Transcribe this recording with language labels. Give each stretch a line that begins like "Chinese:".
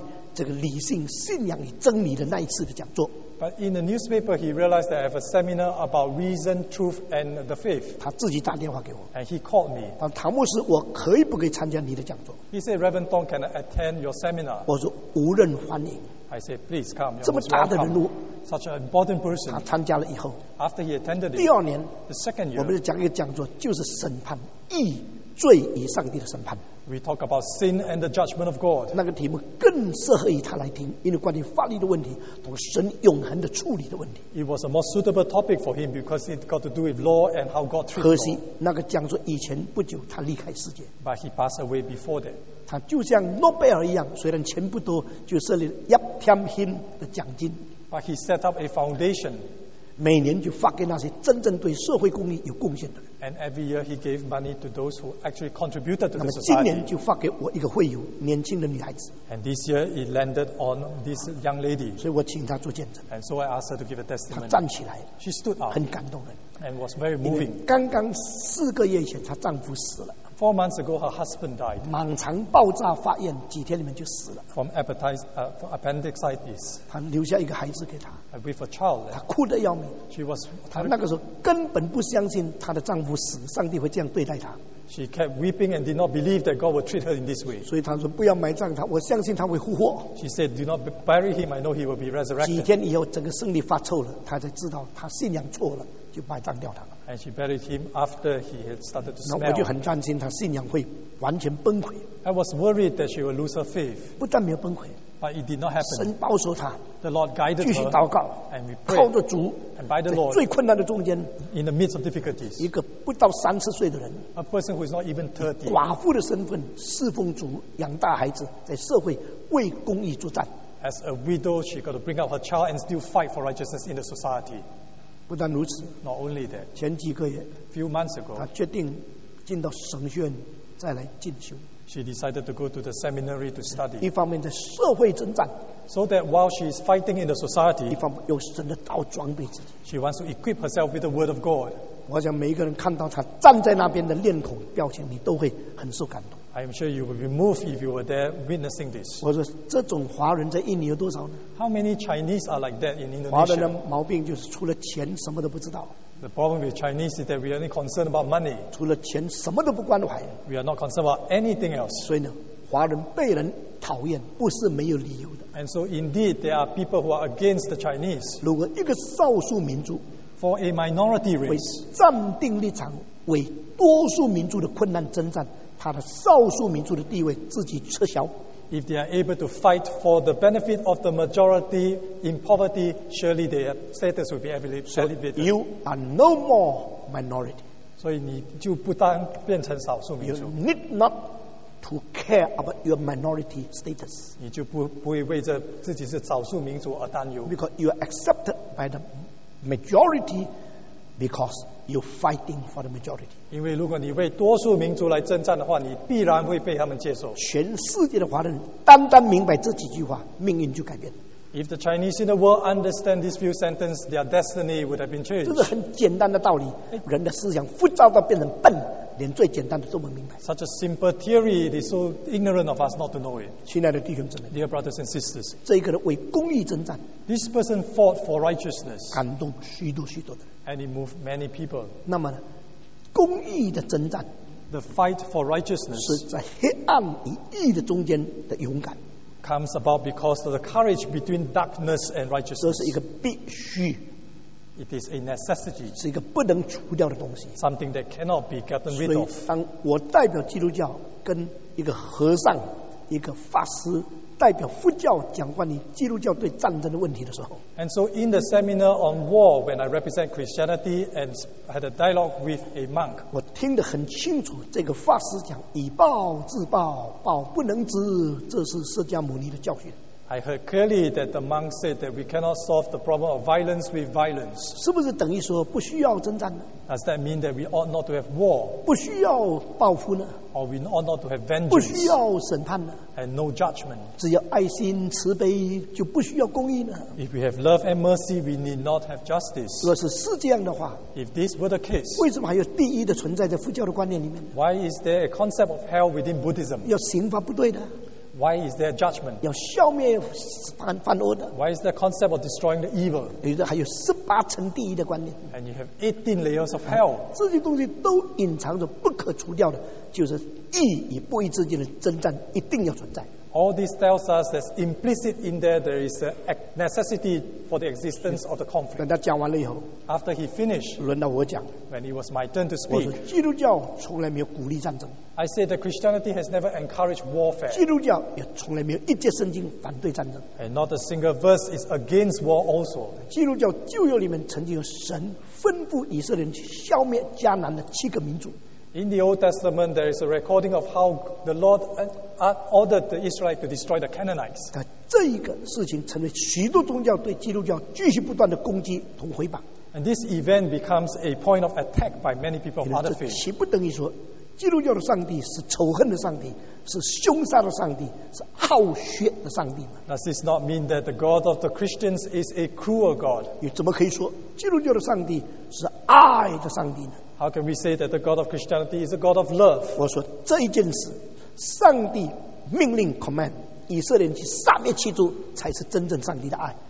Chinese: 报纸上看见我讲到关于这个理性信仰与真理的那一次的讲座。
English: But in the newspaper, he realized that I have a seminar about reason, truth, and the faith.
Chinese: 他自己打电话给我,
English: and he called me.
Chinese: 唐牧师,我可以不可以参加你的讲座?
English: He said, Reverend Tong, can I attend your seminar?
Chinese: 我说,无论欢迎,
English: I said, please come.
Chinese: 这么大的人物,
English: such an important person.
Chinese: 他参加了以后,
English: after he attended it,
Chinese: 第二年,
English: the second year,
Chinese: 我们讲一个讲座,就是审判, 义罪与上帝的审判。
English: We talk about sin and the judgment of God.
Chinese: 那个题目更适合于他来听, 因为关于法律的问题, 同神永恒的处理的问题。
English: It was a more suitable topic for him because it got to do with law and how God treats people.
Chinese: 可惜, 那个讲座以前不久, 他离开世界。
English: But he passed away before that.
Chinese: 他就像诺贝尔一样, 虽然钱不多, 就设立Yap Tiam Hin的奖金。
English: But he set up a foundation.
Chinese: 每年就发给那些真正对社会公益有贡献的人。
English: And every year he gave money to those who actually contributed to the society.
Chinese: 那么今年就发给我一个会友, 年轻的女孩子。
English: And this year it landed on this young lady.
Chinese: 所以我请她做见证。
English: And so I asked her to give a testimony.
Chinese: 她站起来,
English: she stood up.
Chinese: 很感动人。
English: And was very moving.
Chinese: 刚刚4个月前, 她丈夫死了。
English: 4 months ago, her husband died.
Chinese: 盲肠爆炸发炎, 几天里面就死了。
English: From appendicitis.
Chinese: 她留下一个孩子给她。
English: With a child.
Chinese: 她哭得要命。
English: She was.
Chinese: 她那个时候根本不相信她的丈夫死, 上帝会这样对待她。
English: She kept weeping and did not believe that God would treat her in this way.
Chinese: 所以她说不要埋葬她, 我相信她会复活。
English: She said, do not bury him, I know he will be resurrected.
Chinese: 几天以后, 整个生理发臭了, 她才知道她信仰错了。就埋葬掉他了。
English: And she buried him after he had started to smell.
Chinese: 那我就很担心他信仰会完全崩溃。
English: I was worried that she would lose her faith.
Chinese: 不但没有崩溃,
English: but it did not happen.
Chinese: 神保守他,
English: the Lord guided her.
Chinese: 继续祷告,
English: and we prayed.
Chinese: 靠着主,
English: and by the Lord,
Chinese: 最困难的中间,
English: in the midst of difficulties,
Chinese: 一个不到30岁的人,
English: a person who is not even 30,
Chinese: 寡妇的身份, 侍奉主, 养大孩子, 在社会, 为公义作战。
English: As a widow, she got to bring up her child and still fight for righteousness in the society.
Chinese: 不但如此,
English: not only that,
Chinese: 前几个月,
English: few months ago,
Chinese: 她决定进到神学院再来进修。
English: She decided to go to the seminary to study.
Chinese: 一方面在社会征战,
English: so that while she is fighting in the society,
Chinese: 一方面用神的道装备自己。
English: She wants to equip herself with the word of God.
Chinese: 我想每一个人看到她站在那边的脸孔表情, 你都会很受感动。
English: I am sure you will be moved if you were there witnessing this.
Chinese: 我说这种华人在印尼有多少呢?
English: How many Chinese are like that in Indonesia?
Chinese: 华人的毛病就是除了钱什么都不知道。
English: The problem with Chinese is that we are only concerned about money.
Chinese: 除了钱什么都不关怀。
English: We are not concerned about anything else.
Chinese: 所以呢, 华人被人讨厌不是没有理由的。
English: And so indeed there are people who are against the Chinese.
Chinese: 如果一个少数民族,
English: for a minority race,
Chinese: 为站定立场, 为多数民族的困难征战, 他的少数民族的地位自己撤销。
English: If they are able to fight for the benefit of the majority in poverty, surely their status will be elevated. So you are no more minority.
Chinese: 所以你就不当变成少数民族。
English: You need not to care about your minority status.
Chinese: 你就不会为着自己是少数民族而担忧。
English: Because you are accepted by the majority because you fighting for the majority.
Chinese: 因为如果你为多数民族来征战的话, 你必然会被他们接受。全世界的华人单单明白这几句话, 命运就改变。
English: If the Chinese in the world understand this few sentences, their destiny would have been changed.
Chinese: 这是很简单的道理, 人的思想复杂到变成笨, 连最简单的都不明白。
English: Such a simple theory, it is so ignorant of us not to know it.
Chinese: 亲爱的弟兄姊妹,
English: dear brothers and sisters,
Chinese: 这一个人为公义征战,
English: this person fought for righteousness,
Chinese: 感动许多许多的人。
English: And it moved many people.
Chinese: 那么呢, 公义的征战,
English: the fight for righteousness,
Chinese: 是在黑暗与义的中间的勇敢,
English: comes about because of the courage between darkness and righteousness.
Chinese: 这是一个必须,
English: It is a necessity.
Chinese: 是一个不能除掉的东西。
English: Something that cannot be gotten rid of.
Chinese: 所以当我代表基督教跟一个和尚、一个法师代表佛教讲关于基督教对战争的问题的时候
English: ，And so in the seminar on war, when I represent Christianity and had a dialogue with a monk,
Chinese: 我听得很清楚，这个法师讲以暴制暴，暴不能止，这是释迦牟尼的教训。
English: I heard clearly that the monk said that we cannot solve the problem of violence with violence.
Chinese: 是不是等于说不需要征战呢
English: ？Does that mean that we ought not to have war?
Chinese: 不需要报复呢
English: ？Or we ought not to have vengeance?
Chinese: 不需要审判呢
English: ？And no judgment.
Chinese: 只要爱心慈悲就不需要公义呢
English: ？If we have love and mercy, we need not have justice.
Chinese: 若是这样的话
English: ，If this were the case,
Chinese: 为什么还有地狱的存在在佛教的观念里面
English: ？Why is there a concept of hell within Buddhism?
Chinese: 要刑罚不对的。
English: Why is there judgment?
Chinese: 要消灭犯恶的。
English: Why is there concept of destroying the evil?
Chinese: 有的还有十八层地狱的观念。
English: And you have 18 layers of hell.
Chinese: 这些东西都隐藏着不可除掉的，就是义与不义之间的征战一定要存在。
English: All this tells us that implicit in there, there is a necessity for the existence of the conflict.
Chinese: 等他讲完了以后
English: ，After he finished，
Chinese: 轮到我讲。
English: When it was my turn to speak，
Chinese: 我说基督教从来没有鼓励战争。
English: I said that Christianity has never encouraged warfare.
Chinese: 基督教也从来没有一节圣经反对战争。
English: And not a single verse is against war also.
Chinese: 基督教旧约里面曾经有神吩咐以色列人去消灭迦南的七个民族。
English: In the Old Testament, there is a recording of how the Lord ordered the Israelites to destroy the Canaanites.
Chinese: 但这一个事情成为许多宗教对基督教继续不断的攻击同回谤。
English: And this event becomes a point of attack by many people of other faith.
Chinese: 这岂不等于说，基督教的上帝是仇恨的上帝，是凶杀的上帝，是好血的上帝吗
English: ？Does this not mean that the God of the Christians is a cruel God?
Chinese: 你怎么可以说基督教的上帝是爱的上帝呢？
English: How can we say that the God of Christianity is a God of love?
Chinese: 我说这一件事，上帝命令 command 以色列人去杀灭七族，才是真正上帝的爱。